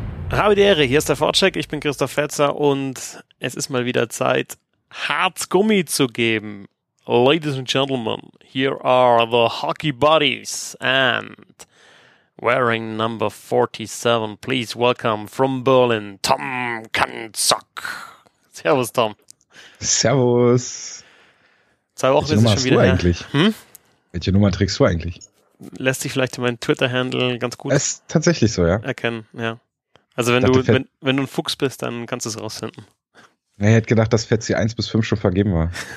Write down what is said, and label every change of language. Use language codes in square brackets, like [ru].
[de] Habe die Ehre, hier ist der Sportcheck, ich bin Christoph Fetzer und es ist mal wieder Zeit, Harzgummi zu geben. [en] Ladies and Gentlemen, here are the Hockey Buddies and wearing number 47, please welcome from Berlin, Tom Kanzock. [de] Servus, Tom. Servus. Zwei Wochen ist es schon wieder. Welche Nummer trägst du eigentlich? Lässt sich vielleicht mein Twitter-Handle ganz gut erkennen. Ist tatsächlich so, ja. Erkennen, ja. Also wenn du ein Fuchs bist, dann kannst du es rausfinden. Ich hätte gedacht, dass Fetzi 1 bis 5 schon vergeben war.